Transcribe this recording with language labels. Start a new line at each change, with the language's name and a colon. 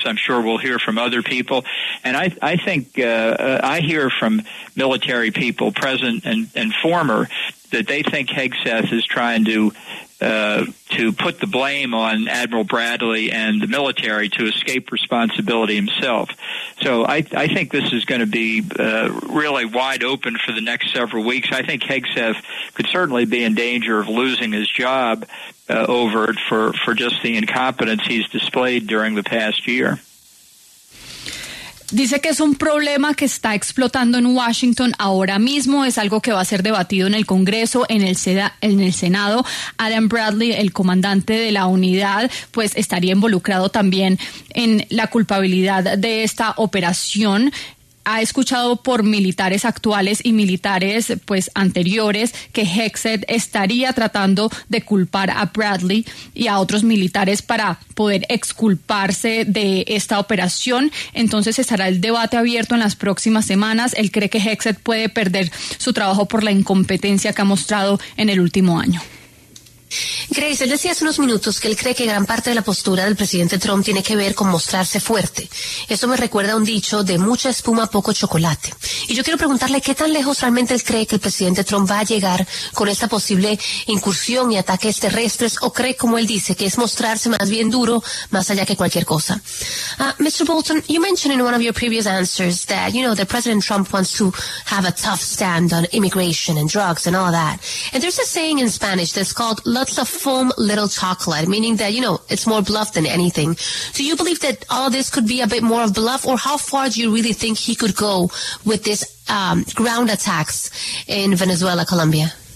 English: I'm sure we'll hear from other people, and I hear from military people, present and former, that they think Hegseth is trying to put the blame on Admiral Bradley and the military to escape responsibility himself. So I think this is going to be really wide open for the next several weeks. I think Hegseth could certainly be in danger of losing his job over it for just the incompetence he's displayed during the past year.
Spanish: Dice que es un problema que está explotando en Washington ahora mismo, es algo que va a ser debatido en el Congreso, en el Senado. Adam Bradley, el comandante de la unidad, pues estaría involucrado también en la culpabilidad de esta operación. Ha escuchado por militares actuales y militares pues anteriores que Hegseth estaría tratando de culpar a Bradley y a otros militares para poder exculparse de esta operación. Entonces estará el debate abierto en las próximas semanas. Él cree que Hegseth puede perder su trabajo por la incompetencia que ha mostrado en el último año. Grace, él decía hace unos minutos que él cree que gran parte de la postura del presidente Trump tiene que ver con mostrarse fuerte. Eso me recuerda a un dicho de mucha espuma, poco chocolate. Y yo quiero preguntarle qué tan lejos realmente él cree que el presidente Trump va a llegar con esta posible incursión y ataques terrestres, o cree, como él dice, que es mostrarse más bien duro, más allá que cualquier cosa.
English: Mr. Bolton, you mentioned in one of your previous answers that, you know, that President Trump wants to have a tough stand on immigration and drugs and all that. And there's a saying in Spanish that's called lots of foam, little chocolate, meaning that, you know, it's more bluff than anything. Do you believe that all this could be a bit more of bluff, or how far do you really think he could go with this ground attacks in Venezuela, Colombia?